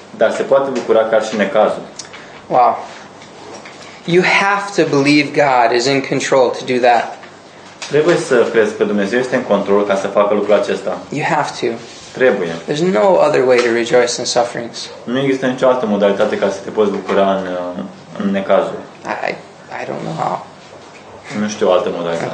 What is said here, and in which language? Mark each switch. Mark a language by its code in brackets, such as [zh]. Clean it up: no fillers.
[ro] Dar se poate bucura chiar și în necazuri. [en] Wow. You have to believe God is in control to do that. [ro] Trebuie să crezi că Dumnezeu este în control ca să facă lucrul acesta. [en] You have to. [ro] Trebuie. [en] There's no other way to rejoice in sufferings. [ro] Nu există nicio altă modalitate ca să te poți bucura în necazuri. [en] I don't know how. [ro] Nu știu altă modalitate.